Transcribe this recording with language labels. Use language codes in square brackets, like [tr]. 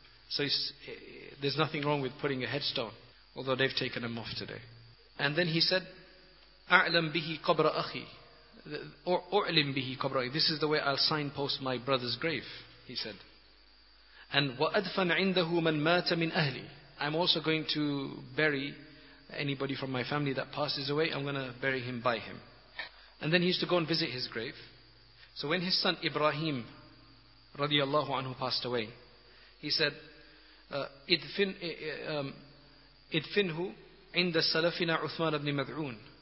[en] So there's nothing wrong with putting a headstone, although they've taken him off today. And then he said, [ar] أَعْلَمْ بِهِ قَبْرَ أَخِي أُعْلِمْ بِهِ قَبْرَ أَخِي. [en] This is the way I'll signpost my brother's grave, he said. And [ar] وَأَدْفَنْ عِنْدَهُ مَنْ مَاتَ مِنْ أَهْلِي, [en] I'm also going to bury anybody from my family that passes away, I'm going to bury him by him. And then he used to go and visit his grave. So when his son Ibrahim radiallahu anhu passed away, he said, [ar] idfinhu inda salafina [en] Uthman ibn Mad'un.